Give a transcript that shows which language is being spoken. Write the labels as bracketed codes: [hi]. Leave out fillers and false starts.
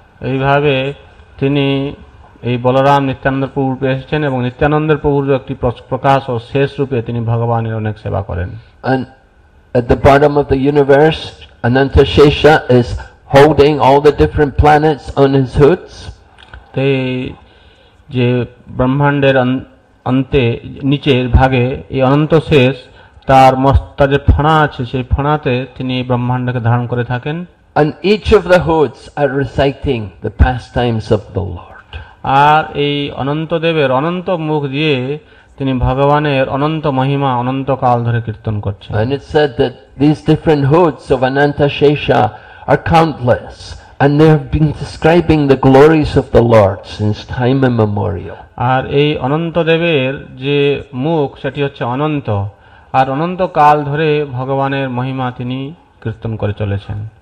[bn] এইভাবে তিনি এই বলরাম নিত্যানন্দ প্রভু এসেছেন এবং নিত্যানন্দ প্রভুর একটি প্রকাশ ও শেষ রূপে তিনি ভগবানের অনেক সেবা করেন [en] and at the bottom of the universe Ananta Shesha is holding all the different planets on his hoods they [bn] যে ব্রহ্মাণ্ডের অন্তে নিচের ভাগে এই অনন্ত শেষ তার মস্তকের যে ফণা আছে সেই ফণাতে তিনি ব্রহ্মাণ্ডকে ধারণ করে থাকেন [en] and each of the hoods are reciting the pastimes of the lord [bn] আর এই অনন্ত দেবের অনন্ত মুখ দিয়ে তিনি ভগবানের অনন্ত মহিমা অনন্তকাল ধরে কীর্তন করছেন। [en] And it said that these different hoods of Ananta Shesha are countless. And they have been describing the glories of the Lord since time immemorial. [bn] আর এই অনন্ত দেবের যে মুখ সেটি হচ্ছে অনন্ত, আর অনন্ত কাল ধরে ভগবানের মহিমা তিনি কীর্তন করে চলেছেন।